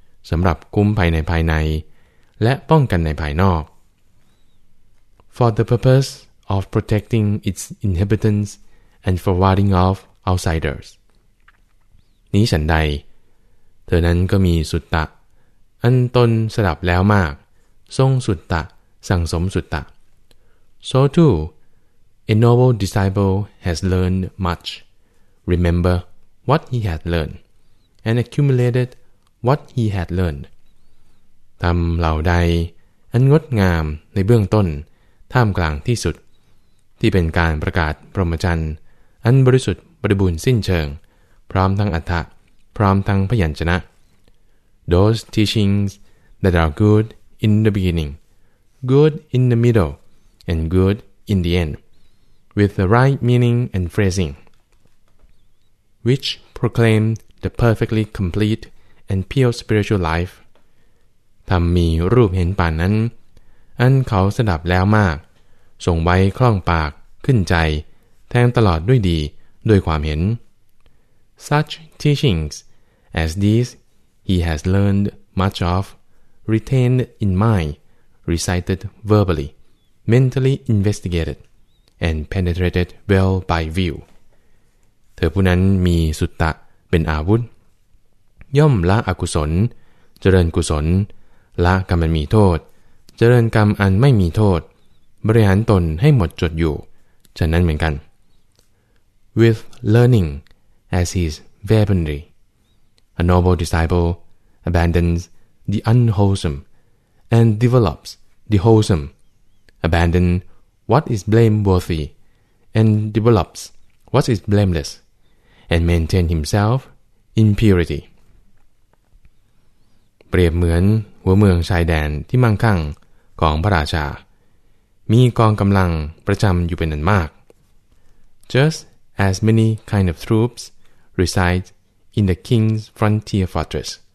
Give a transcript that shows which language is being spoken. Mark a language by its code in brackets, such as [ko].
[th] สำหรับคุ้มภัยในภายในและป้องกันในภายนอก [en] For the purpose of protecting its inhabitants and for warding off outsiders. [th] นี้ฉันใดเธอนั้นก็มีสุตตะอันตนสดับแล้วมากทรงสุตตะสั่งสมสุตตะ [en] So too, a noble disciple has learned much. Remember what he had learned, and accumulated what he had learned. [th] ทำเหล่าใดอันงดงามในเบื้องต้นท่ามกลางที่สุดที่เป็นการประกาศพรหมจรรย์อันบริสุทธิ์บริบูรณ์สิ้นเชิงพร้อมทั้งอรรถะพร้อมทั้งพยัญชนะ [en] Those teachings that are good in the beginning, good in the middle, and good in the end, with the right meaning and phrasing, which proclaim the perfectly complete and pure spiritual life, [th] ธรรมมีรูปเห็นปานนั้นอันเขาสดับแล้วมากส่งไว้คล่องปากขึ้นใจแทงตลอดด้วยดีด้วยความเห็น [en] Such teachings as these he has learned much of, retained in mind, recited verbally, mentally investigated, and penetrated well by view. [th] เธอผู้นั้นมีสุตตะเป็นอาวุธย่อมละอกุศลเจริญกุศลละกรรมมีโทษเจริญกรรมอันไม่มีโทษบริหารตนให้หมดจดอยู่ฉะนั้นเหมือนกัน [en] With learning as his weaponry a noble disciple abandons the unwholesome and develops the wholesome abandon what is blameworthy and develops what is blameless and maintain himself in purity [th] เปรียบเหมือนหัวเมืองชายแดนที่มั่งคั่งของพระราชามีกองกำลังประจำอยู่เป็นอันมาก [en] Just as many kind of troops reside in the king's frontier fortress